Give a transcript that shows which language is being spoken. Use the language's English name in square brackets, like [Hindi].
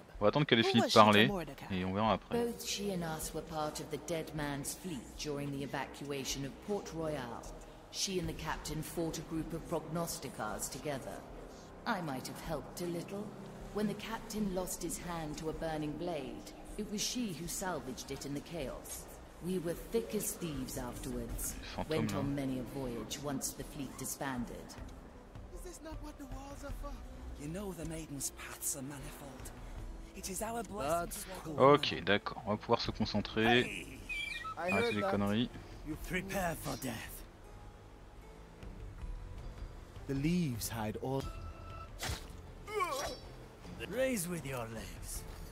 [French] On va attendre qu'elle ait fini de parler et on verra après. [English] Both she and us were part of the dead man's fleet during the evacuation of Port Royal. She and the captain fought a group of prognosticars together. I might have helped a little. When the captain lost his hand to a burning blade, it was she who salvaged it in the chaos. We were thick as thieves afterwards. Went on many a voyage once the fleet disbanded. Is this not what the walls are for? You know the maiden's paths are manifold. [French] Ok, d'accord, on va pouvoir se concentrer. Arrêtez les conneries. [English] Prepare for death. The leaves hide all. Raise with your legs.